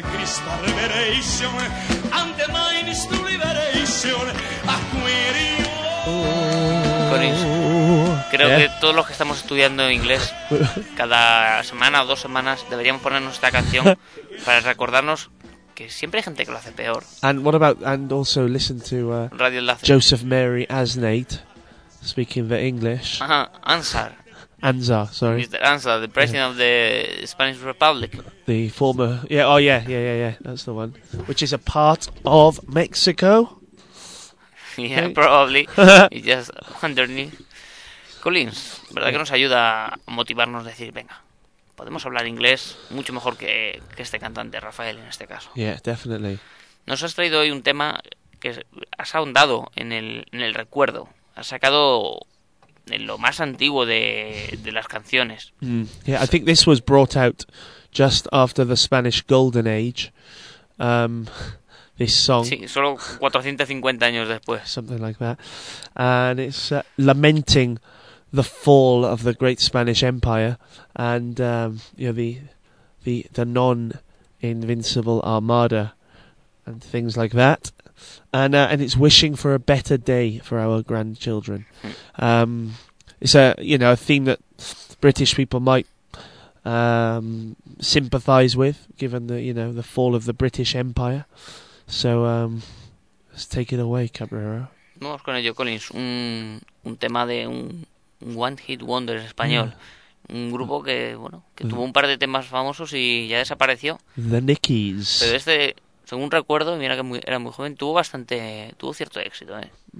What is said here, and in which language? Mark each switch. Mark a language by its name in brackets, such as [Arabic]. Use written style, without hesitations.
[English] Crystal Revelation, and the mind is to liberation. Aquarius. [Spanish] Creo que todos los que estamos estudiando inglés, cada semana o dos semanas, deberíamos ponernos esta canción para recordarnos que siempre hay gente que lo hace peor. [English] And what about, and also listen to Radio Enlace. Joseph Mary Aznate speaking the English. Uh-huh. Ansar. Ansar, sorry. Mr. Ansar, the president of the Spanish Republic. The former, yeah, that's the one. Which is a part of Mexico. Yeah, right? Probably. Just underneath. [Spanish] Collins, ¿verdad que nos ayuda a motivarnos a decir, venga? Podemos hablar inglés mucho mejor que este cantante, Rafael, en este caso. [English] Yeah, definitely. [Spanish] Nos has traído hoy un tema que has ahondado en el recuerdo. Has sacado en lo más antiguo de las canciones. Mm. [English] Yeah, I think this was brought out just after the Spanish Golden Age. This song. [Spanish] Sí, solo 450 años después. [English] Something like that. And it's lamenting the fall of the great Spanish Empire and the non-invincible armada and things like that, and it's wishing for a better day for our grandchildren. It's a, you know, a theme that British people might sympathize with, given the, you know, the fall of the British Empire. So let's take it away, Cabrera. [Spanish] Vamos con ello, Collins. Un tema de un One Hit Wonder español. Un grupo que, bueno, que tuvo un par de temas famosos y ya desapareció. The Nickies. Pero este, según recuerdo, mira que era muy joven, tuvo cierto éxito, ¿eh?